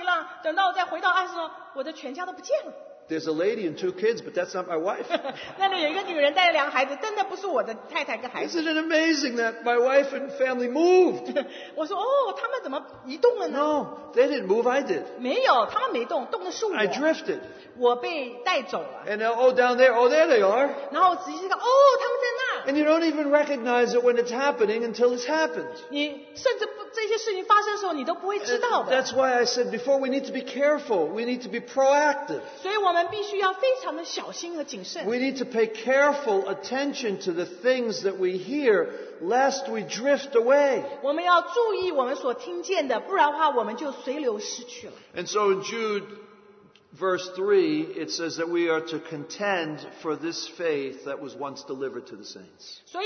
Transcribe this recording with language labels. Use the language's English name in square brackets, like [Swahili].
[Chinese] 我的家人都在岸上，然后我们就到水里去，明明是对着他们的，然后我们跳跳跳，骑骑浪，等到我再回到岸上，我的全家都不见了。 [English] There's a lady and two kids, but that's not my wife. [Chinese] 那里有一个女人带着两个孩子，真的不是我的太太跟孩子。 [English] Isn't it amazing that my wife and family moved? [Chinese] 我说，哦，他们怎么移动了呢？ [English] No, they didn't move, I did. [Chinese] 没有，他们没动，动的是我。 [English] I drifted. [Chinese] 我被带走了。 [English] And now, oh, down there, oh, there they are. [Chinese] 然后仔细看，哦，他们在那。 [English] And you don't even recognize it when it's happening until it's happened. [Chinese] 你甚至这些事情发生的时候，你都不会知道的。 [English] And that's why I said before, we need to be careful. We need to be proactive. [Chinese] 所以我们必须要非常的小心和谨慎。 [English] We need to pay careful attention to the things that we hear, lest we drift away. [Chinese] 我们要注意我们所听见的，不然的话我们就随流失去了。 [English] And so in Jude Verse 3, it says that we are to contend for this faith that was once delivered to the saints.